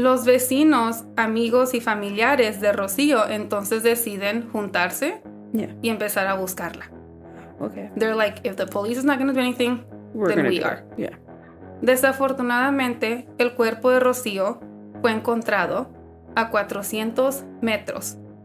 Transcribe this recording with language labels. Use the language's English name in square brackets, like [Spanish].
[Spanish] Los vecinos, amigos y familiares de Rocío entonces deciden juntarse [English] yeah. [Spanish] y empezar a buscarla. [English] Okay. They're like, if the police is not going to do anything, we're then we do. Are. Yeah. [Spanish] Desafortunadamente, el cuerpo de Rocío fue encontrado a 400 metros.